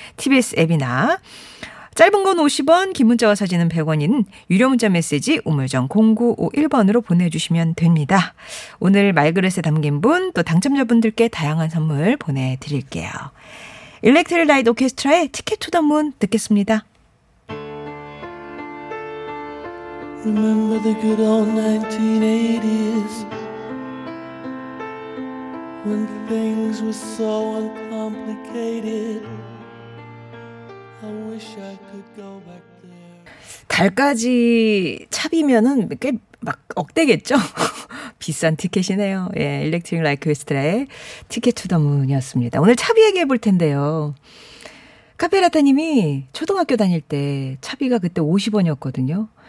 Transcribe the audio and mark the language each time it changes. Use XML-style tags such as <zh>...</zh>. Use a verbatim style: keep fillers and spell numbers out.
<ko>티비에스 앱이나 짧은 건 오십 원, 긴 문자와 사진은 백 원인 유료 문자 메시지 우물정 공구오일 번으로 보내주시면 됩니다. 오늘 말그릇에 담긴 분, 또 당첨자분들께 다양한 선물 보내드릴게요. 일렉트릭 라이트 오케스트라의 티켓 투 더 문 듣겠습니다.</ko> <en>Remember the good old nineteen eighties When things were so uncomplicated I wish I could go back there.</en> <ko>달까지 차비면은 꽤 막 억대겠죠? 비싼 티켓이네요. 예, 일렉트릭 라이트 오케스트라의 티켓 투 더 문이었습니다. 오늘 차비 얘기해 볼 텐데요. 카페라타님이 초등학교 다닐 때 차비가 그때 오십 원이었거든요.</ko>